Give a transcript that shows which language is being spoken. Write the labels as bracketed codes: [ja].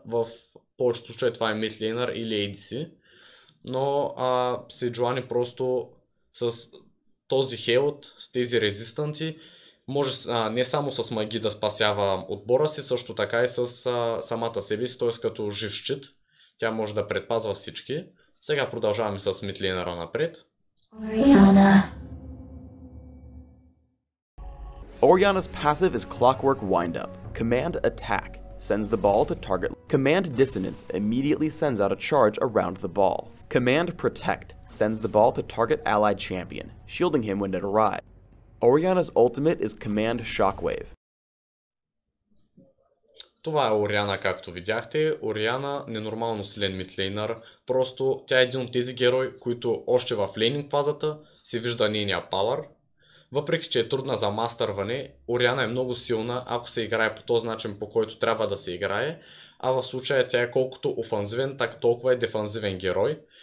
[bg] В повечето случаи това е midlaner или ADC. Но Сиджуани просто с този хелт, с тези резистанти, може не само с маги да спасява отбора си, също така и с самата себе си, т.е. като жив щит. Тя може да предпазва всички. Сега продължаваме с midlaner-а напред. Ариана. [en] Orianna's passive is Clockwork Windup. Command Attack sends the ball to target. Command Dissonance immediately sends out a charge around the ball. Command Protect sends the ball to target allied champion, shielding him when it arrives. Orianna's ultimate is Command Shockwave. [bg] Това е Orianna, както видяхте. Orianna, ненормално силен мидлейнер. Просто тя е един от тези герои, които още в лейнинг фазата се вижда нейния пауър. Въпреки че е трудна за мастърване, Orianna е много силна, ако се играе по този начин, по който трябва да се играе, а в случая тя е колкото офанзивен, така толкова е дефанзивен герой.